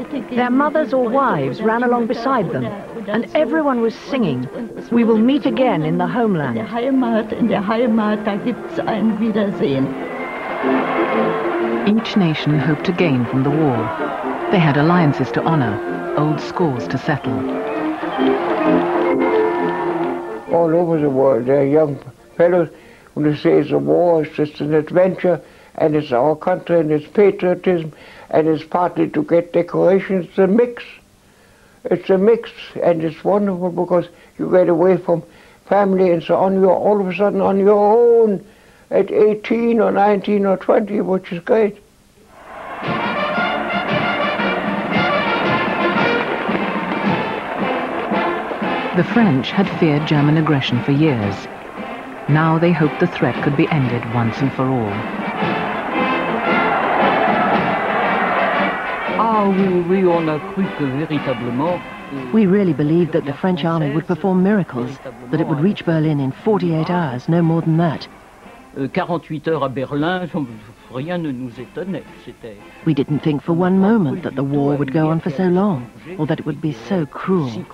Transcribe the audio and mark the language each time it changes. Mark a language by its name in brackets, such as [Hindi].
[English] Their mothers or wives ran along beside them, and everyone was singing, "We will meet again in the homeland." [German] In der Heimat, da gibt's ein Wiedersehen. [English] Each nation hoped to gain from the war. They had alliances to honor, old scores to settle. All over the world, there are young fellows who say the war is just an adventure, and it's our country, and it's patriotism, and it's partly to get decorations. It's a mix. It's a mix, and it's wonderful because you get away from family and so on. You're all of a sudden on your own. At 18 or 19 or 20, which is great. The French had feared German aggression for years. Now they hoped the threat could be ended once and for all. We really believed that the French army would perform miracles, that it would reach Berlin in 48 hours, no more than that. [French] 48 heures à Berlin, rien ne nous étonnait. [English] We didn't think for one moment that the war would go on for so long, or that it would be so cruel.